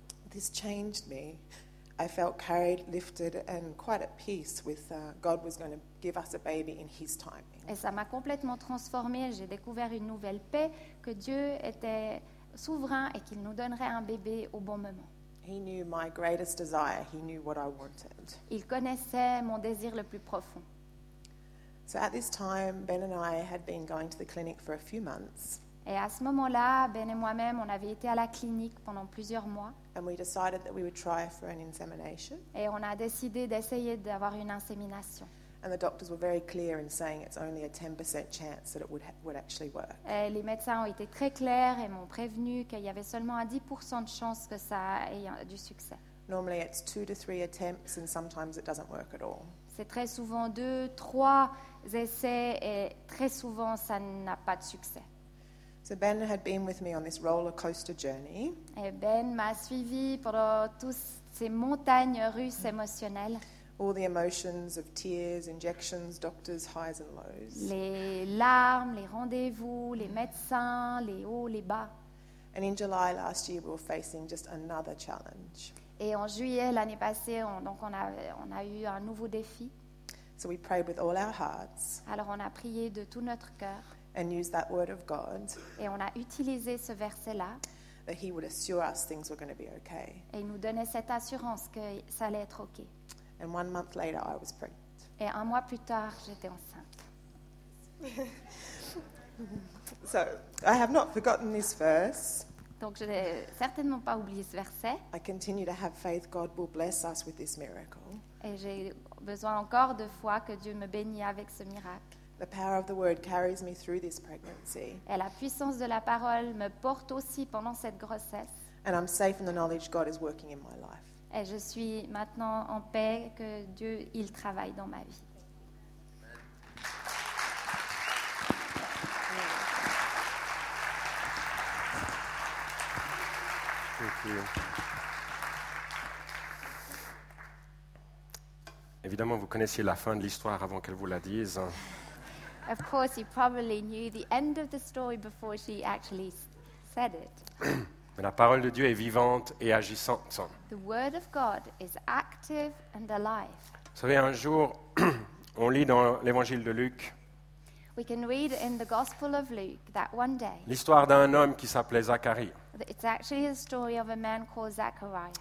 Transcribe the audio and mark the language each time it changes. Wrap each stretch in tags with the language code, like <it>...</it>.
<en>This changed me. I felt carried, lifted, and quite at peace with God was going to give us a baby in His timing.</en> <fr>Et ça m'a complètement transformée. J'ai découvert une nouvelle paix que Dieu était souverain et qu'il nous donnerait un bébé au bon moment.</fr> <en>He knew my greatest desire. He knew what I wanted.</en> <fr>Il connaissait mon désir le plus profond.</fr> <en>So at this time, Ben and I had been going to the clinic for a few months.</en> <fr>Et à ce moment-là, Ben et moi-même, on avait été à la clinique pendant plusieurs mois.</fr> <en>And we decided that we would try for an insemination.</en> <fr>Et on a décidé d'essayer d'avoir une insémination.</fr> <en>And the doctors were very clear in saying it's only a 10% chance that it would actually work.</en> <fr>Et les médecins ont été très clairs et m'ont prévenu qu'il y avait seulement un 10% de chance que ça ait du succès.</fr> <en>Normally it's 2 to 3 attempts and sometimes it doesn't work at all.</en> <fr>C'est très souvent 2-3 essais et très souvent ça n'a pas de succès.</fr> <en>So Ben had been with me on this roller coaster journey.</en> <fr>Et Ben m'a suivi pendant toutes ces montagnes russes émotionnelles.</fr> <en>All the emotions of tears, injections, doctors, highs and lows.</en> <fr>Les larmes, les rendez-vous, les médecins, les hauts, les bas.</fr> <en>And in July last year, we were facing just another challenge.</en> <fr>Et en juillet l'année passée, on a eu un nouveau défi.</fr> <en>So we prayed with all our hearts.</en> <fr>Alors on a prié de tout notre cœur.</fr> <en>And use that word of God.</en> <fr>Et on a utilisé ce verset-là.</fr> <en>That He would assure us things were going to be okay.</en> <fr>Et il nous donnait cette assurance que ça allait être ok.</fr> <en>And 1 month later, I was pregnant.</en> <fr>Et un mois plus tard, j'étais enceinte.</fr> <en>So, I have not forgotten this verse.</en> <fr>Donc, je n'ai certainement pas oublié ce verset.</fr> <en>I continue to have faith God will bless us with this miracle.</en> <fr>Et j'ai besoin encore de foi que Dieu me bénit avec ce miracle.</fr> <en>The power of the word carries me through this pregnancy.</en> <fr>Et la puissance de la parole me porte aussi pendant cette grossesse.</fr> <en>And I'm safe in the knowledge God is working in my life.</en> <fr>Et je suis maintenant en paix que Dieu il travaille dans ma vie.</fr> <en>Thank you.</en> <fr>Évidemment, vous connaissiez la fin de l'histoire avant qu'elle vous la dise.</fr> <en>Of course, you probably knew the end of the story before she actually said it.</en> <fr>Mais la parole de Dieu est vivante et agissante.</fr> <en>The word of God is active and alive.</en> <fr>Vous savez, un jour, on lit dans l'évangile de Luc.</fr> <en>We can read in the Gospel of Luke that one day.</en> <fr>L'histoire d'un homme qui s'appelait Zacharie.</fr> <en>It's actually a story of a man called Zachariah.</en>